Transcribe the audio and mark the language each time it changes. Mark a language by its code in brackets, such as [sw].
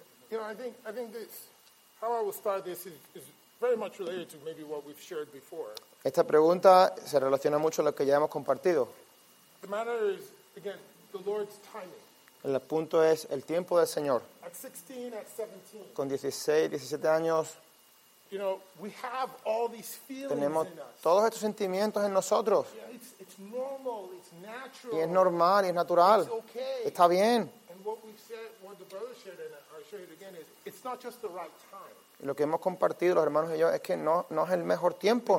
[en] You know, I think this, how I will start this is very much related to maybe what we've shared before. [es] Esta pregunta se relaciona mucho a lo que ya hemos compartido. [en] The matter is, again, the Lord's timing. [es] El punto es el tiempo del Señor. [en] At 16, at 17. [es] Con 16, 17 años. [en] You know, we have all these feelings in us. [es] Tenemos todos estos sentimientos en nosotros. [en] Yeah, it's normal, it's natural. [es] Y es normal, y es natural. [en] It's okay. [es] Está bien. [en] And what we've said, what the brother shared in us. It's not just the right time. [es] Y lo que hemos compartido los hermanos y yo es que no es el mejor tiempo.